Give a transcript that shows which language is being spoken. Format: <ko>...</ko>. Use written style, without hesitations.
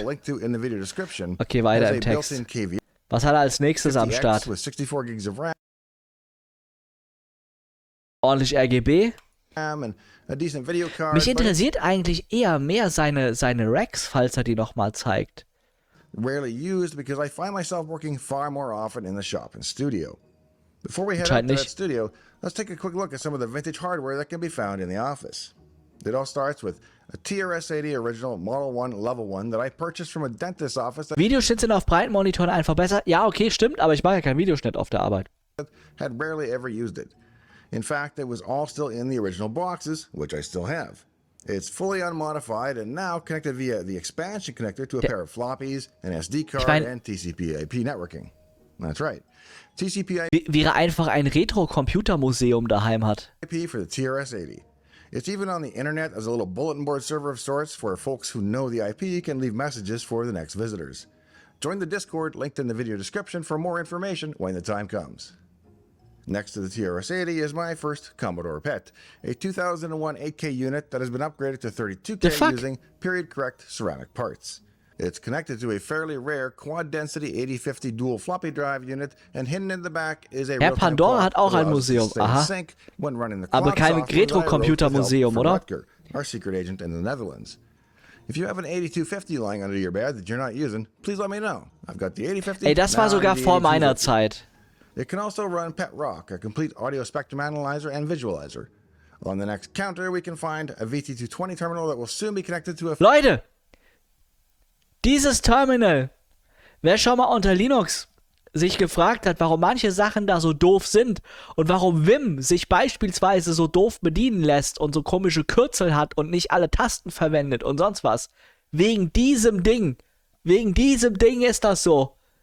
<en>I'll link to in the video description,</en> <de>okay, weiter im Text. Was hat er als nächstes am Start?</de> <en>With 64 gigs of RAM.</en> <de>Ordentlich RGB.</de> <en>And a decent video card,</en> <de>mich interessiert eigentlich eher mehr seine Racks, falls er die nochmal zeigt.</de> <en>Rarely used because I find myself working far more often in the shop and studio. Before we head to the studio, let's take a quick look at some of the vintage hardware that can be found in the office. It all starts with a TRS-80 original Model 1 Level 1 that I purchased from a dentist office.</en> <de>Videoschnitte sind auf breiten Monitoren einfach besser. Ja, okay, stimmt, aber ich mache ja keinen Videoschnitt auf der Arbeit.</de> <en>Had barely ever used it. In fact, it was all still in the original boxes, which I still have. It's fully unmodified and now connected via the expansion connector to a pair of floppies, an SD card and TCP/IP networking. That's right. TCP/IP</en> <de>wäre einfach ein Retro-Computer-Museum daheim hat.</de> <en>IP for the TRS-80. It's even on the internet as a little bulletin board server of sorts where folks who know the IP can leave messages for the next visitors. Join the Discord linked in the video description for more information when the time comes. Next to the TRS-80 is my first Commodore PET, a 2001 8K unit that has been upgraded to 32K using period-correct ceramic parts. It's connected to a fairly rare quad-density 8050 dual floppy drive unit, and hidden in the back is a real-time Pandora clock</en> <de>hat auch ein Museum. Aha.</de> <en>When running the</en> <de>aber kein Retro-Computer-Museum, oder? Rutger,</de> <en>our secret agent in the Netherlands. If you have an 8250 lying under your bed that you're not using, please let me know. I've got the 8050.</en> <de>Ey, das war sogar vor meiner Zeit.</de> <en>It can also run PET Rock, a complete audio spectrum analyzer and visualizer. On the next counter, we can find a VT220 terminal that will soon be connected to a.</en> <de>Leute! Dieses Terminal! Wer schon mal unter Linux sich gefragt hat, warum manche Sachen da so doof sind und warum Vim sich beispielsweise so doof bedienen lässt und so komische Kürzel hat und nicht alle Tasten verwendet und sonst was. Wegen diesem Ding ist das so.</de>